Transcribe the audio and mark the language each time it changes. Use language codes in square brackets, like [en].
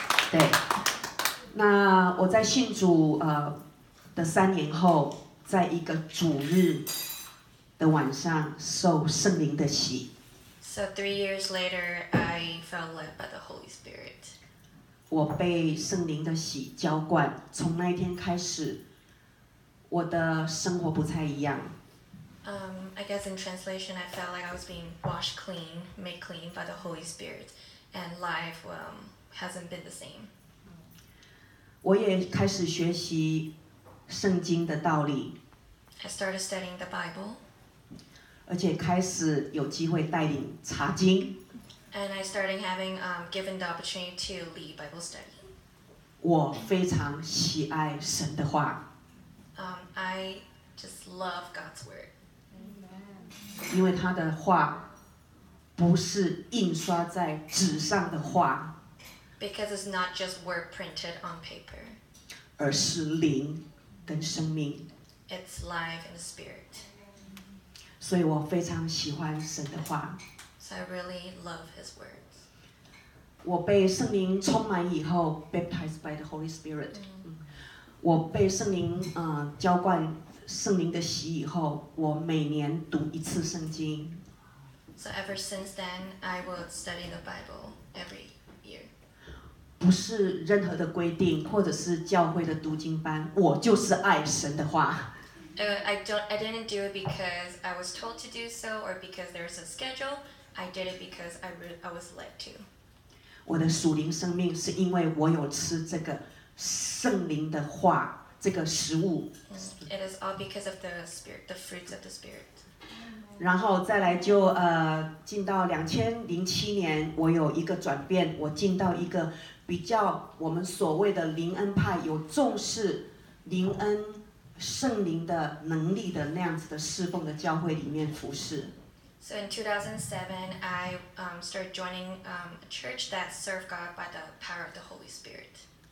[zh] 对，那我在信主的3年后，在一个主日的晚上受圣灵的洗。 [en] So 3 years later, I felt led by the Holy Spirit. [zh] 我被圣灵的洗浇灌，从那一天开始，我的生活不太一样。 [en] I guess in translation, I felt like I was being washed clean, made clean by the Holy Spirit, and life hasn't been the same. [zh] 我也开始学习圣经的道理。 [en] I started studying the Bible. [zh] 而且开始有机会带领查经。 [en] And I started having given the opportunity to lead Bible study. [zh] 我非常喜爱神的话。 [en] I just love God's word. [zh] 因为他的话不是印刷在纸上的话。 [en] Because it's not just word printed on paper. [zh] 而是灵跟生命。 [en] It's life and spirit. [zh] 所以我非常喜欢神的话。 [en] So I really love his words. [zh] 我被圣灵充满以后 [en] baptized by the Holy Spirit.、 [zh] Mm-hmm. 我被圣灵浇灌圣灵的洗以后，我每年读一次圣经。 [en] So ever since then, I will study the Bible every year. [zh] 不是任何的规定，或者是教会的读经班，我就是爱神的话。 [en] I didn't do it because I was told to do so or because there's a schedule. I did it because I was led to. [zh] 我的属灵生命是因为我有吃这个圣灵的话，这个食物。 [en] It is all because of the spirit, the fruits of the spirit. [zh] 然后再来就进到2007年，我有一个转变，我进到一个比较我们所谓的灵恩派，有重视灵恩圣灵的能力的那样子的侍奉的教会里面服事。 [en] So in 2007, I started joining a church that served God by the power of the Holy Spirit.